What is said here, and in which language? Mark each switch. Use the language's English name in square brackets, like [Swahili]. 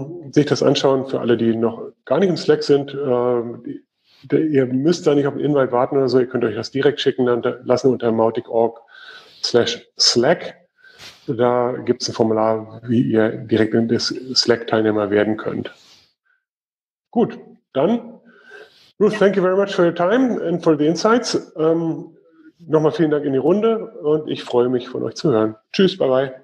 [German] Sich das anschauen für alle, die noch gar nicht im Slack sind. Ihr müsst da nicht auf den Invite warten oder so, ihr könnt euch das direkt schicken lassen unter mautic.org/Slack. Da gibt es ein Formular, wie ihr direkt in das Slack-Teilnehmer werden könnt. Gut, dann, [English] Ruth, thank you very much for your time and for the insights. [German] Nochmal vielen Dank in die Runde und ich freue mich, von euch zu hören. Tschüss, bye-bye.